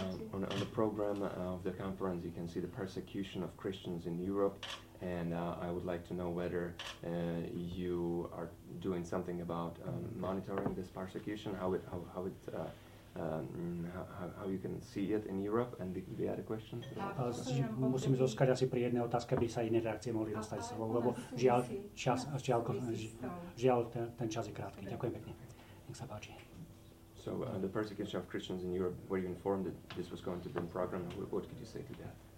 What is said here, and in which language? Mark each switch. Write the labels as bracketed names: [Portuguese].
[English] On the program of the conference you can see the persecution of Christians in Europe. And I would like to know whether you are doing something about monitoring this persecution, how you can see it in Europe, and the other question. [Slovak] Musíme zoskať asi pri jednej otázke, aby sa iné reakcie mohli dostať s tebou, lebo žiaľ, ten čas je krátky. Ďakujem pekne. Nech sa páči. [English] So the persecution of Christians in Europe, were you informed that this was going to be a program? What could you say to that?